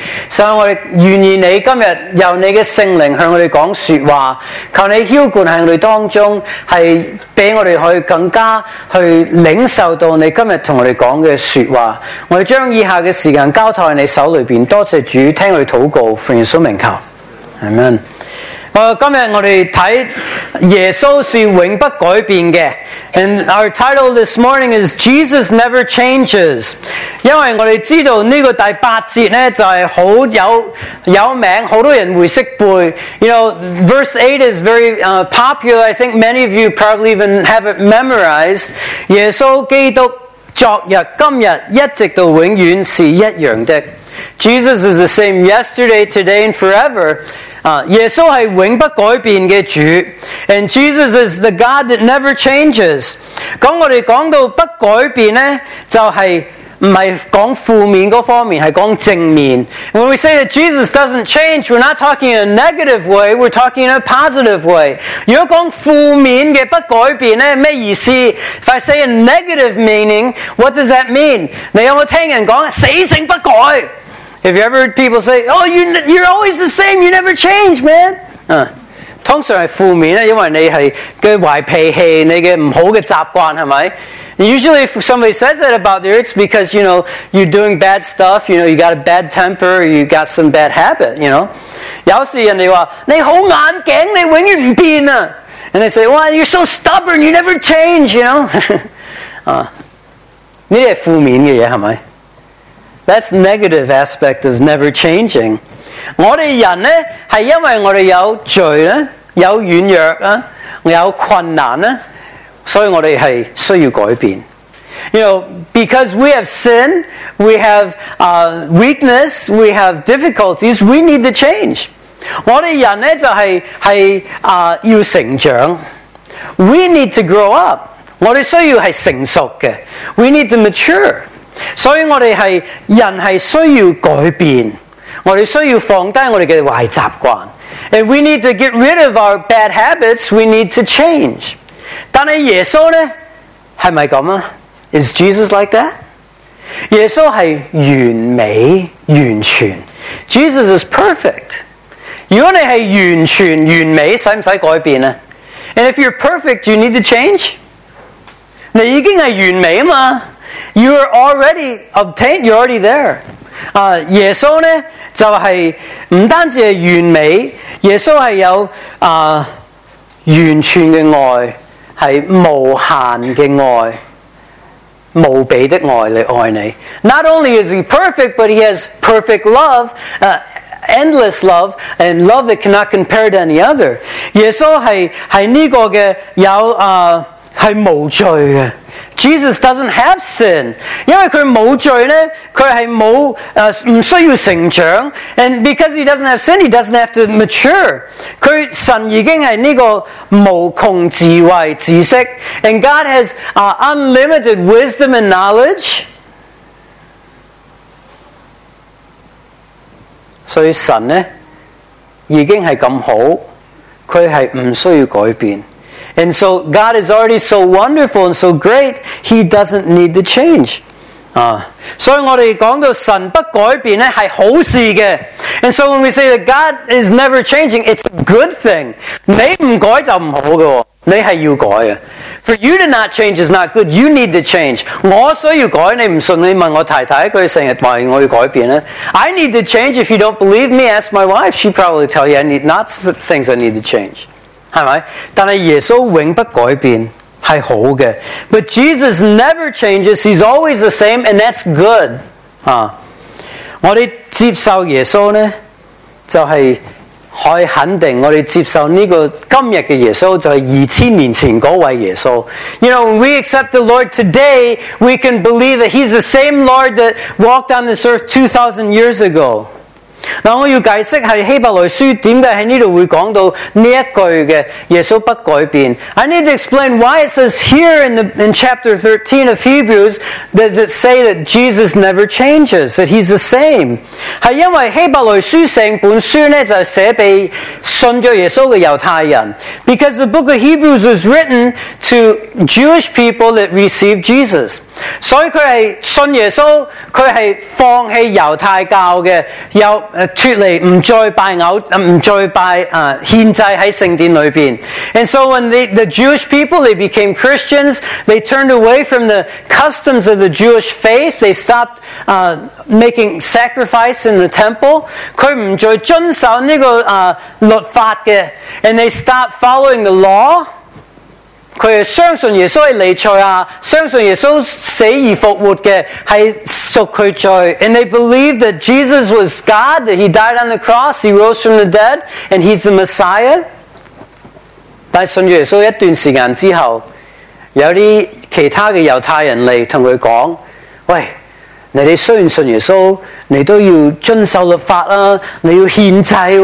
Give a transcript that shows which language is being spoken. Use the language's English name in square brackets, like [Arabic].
[Chinese] 所以我们愿意你今天由你的圣灵向我们讲说话，求你浇灌在我们当中，是让我们可以更加去领受到你今天跟我们讲的说话。我们将以下的时间交托在你手里面，多谢主，听我们祷告，奉耶稣名求， Amen。今天我们看耶稣是永不改变的。 [English] And our title this morning is Jesus Never Changes. [Chinese] 因为我们知道这个第八节呢就是很 有名，很多人会识背。 [English] You know, verse 8 is very popular. I think many of you probably even have it memorized. [Chinese] 耶稣基督昨日今日一直到永远是一样的。 [English] Jesus is the same yesterday, today, and forever. [Chinese] 耶稣是永不改变的主。 [English] And Jesus is the God that never changes. [Chinese] 讲我们讲到不改变呢，就是不是讲负面那方面，是讲正面。 [English] When we say that Jesus doesn't change, we're not talking in a negative way, we're talking in a positive way. [Chinese] 如果讲负面的不改变呢，什么意思？ [English] If I say a negative meaning, what does that mean? [Chinese] 你有没有听人讲死性不改？ [English] Have you ever heard people say, oh, you're always the same, you never change, man? [Chinese] 通常是负面，因为你是个坏脾气，你的不好的习惯，是不是？ [English] And usually if somebody says that about you, it's because, you know, you're doing bad stuff, you know, you got a bad temper, you got some bad habit, you know. [Chinese] 有时人说，你好眼镜，你永远不变啊。 [English] And they say, well, you're so stubborn, you never change, you know. [Chinese] 你是负面的东西，是不是？ [English] That's negative aspect of never changing. [Chinese] 我们人呢，是因为我们有罪呢，有软弱啊，有困难呢，所以我们是需要改变。 [English] You know, because we have sin, we have weakness, we have difficulties, we need to change. [Chinese] 我们人呢，就是要成长。 [English] We need to grow up. [Chinese] 我们需要是成熟的。 [English] We need to mature. [Chinese] 所以我们是人是需要改变，我们需要放低我们的坏习惯。 [English] And we need to get rid of our bad habits, we need to change. [Chinese] 但是耶稣呢，是不是这样？ [English] Is Jesus like that? [Chinese] 耶稣是完美完全， [English] Jesus is perfect. [Chinese] 如果你是完全完美，需不需改变呢？ [English] And if you're perfect, you need to change? [Chinese] 你已经是完美嘛， [English] You are already obtained. You're already there. [Chinese] 耶稣呢就是不单止是完美，耶稣是有完全的爱，是无限的爱，无比的爱来爱你。 [English] Not only is he perfect, but he has perfect love, endless love, and love that cannot compare to any other. [Chinese] 耶稣是这个的有是无罪的。 [English] Jesus doesn't have sin. [Chinese] 因为他没有罪呢，他是不需要成长。 [English] And because he doesn't have sin, he doesn't have to mature. [Chinese] 他神已经是这个无穷智慧知识。 [English] And God has unlimited wisdom and knowledge. [Chinese] 所以神呢，已经是这么好，他是不需要改变。 [English] And so God is already so wonderful and so great, He doesn't need to change. [Chinese] 所以我们讲到神不改变呢，是好事的。 [English] And so when we say that God is never changing, it's a good thing. [Chinese] 你不改就不好的，你是要改的。 [English] For you to not change is not good, you need to change. [Chinese] 我需要改，你不信，你问我太太，她经常说我要改变呢。 [English] I need to change, if you don't believe me, ask my wife. She'll probably tell you, I need not things I need to change. [Chinese] 是吧？但是耶稣永不改变，是好的。 [English] But Jesus never changes, he's always the same, and that's good. [Chinese] 我们接受耶稣呢，就是可以肯定我们接受这个今日的耶稣，就是2000年前那位耶稣。 [English] You know, when we accept the Lord today, we can believe that he's the same Lord that walked on this earth 2,000 years ago. [Chinese] 我要解释是希伯来书为什么在这里会讲到这一句的耶稣不改变。 [English] I need to explain why it says here in chapter 13 of Hebrews does it say that Jesus never changes, that he's the same. [Chinese] 是因为希伯来书整本书呢就写给信着耶稣的犹太人。 [English] Because the book of Hebrews was written to Jewish people that received Jesus. [Chinese] 所以他是信耶稣，他是放弃犹太教的，又脱离不再拜偶，不再拜献祭在圣殿里面。 [English] And so when the Jewish people, they became Christians, they turned away from the customs of the Jewish faith, they stopped making sacrifice in the temple, [Chinese] 他不再遵守这个律法的， [English] and they stopped following the law, [Chinese] 他是相信耶稣是弥赛亚，相信耶稣死而复活的，是属他罪。 [English] And they believed that Jesus was God, that he died on the cross, he rose from the dead, and he's the Messiah. [Chinese] 但信耶稣一段时间之后，有些其他的犹太人来跟他说，喂，你们虽然信耶稣，你都要遵守律法，你要献祭。